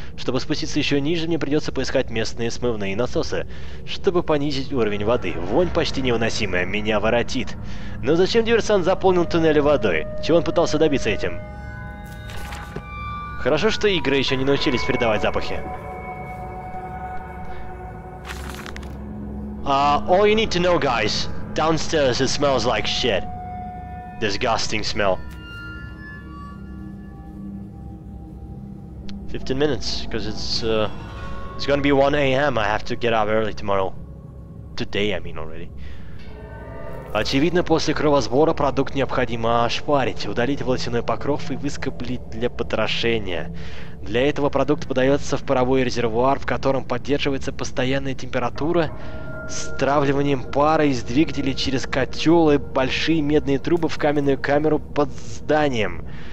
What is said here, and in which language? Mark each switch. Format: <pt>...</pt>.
<ru>Чтобы спуститься еще ниже, мне придется поискать местные смывные насосы, чтобы понизить уровень воды. Вонь почти невыносимая, меня воротит. Но зачем диверсант заполнил туннели водой? Чего он пытался добиться этим? Хорошо, что игры еще не научились передавать запахи.</ru> <en>All you need to know, guys, downstairs it smells like shit. Disgusting smell. 15 minutes, because it's gonna be 1 a.m. I have to get up early tomorrow. Today, I mean, already.</en> <ru>Очевидно, после кровосбора продукт необходимо ошпарить, удалить волосяной покров и выскоблить для потрошения. Для этого продукт подается в паровой резервуар, в котором поддерживается постоянная температура, с травливанием пара из двигателей через котел и большие медные трубы в каменную камеру под зданием.</ru>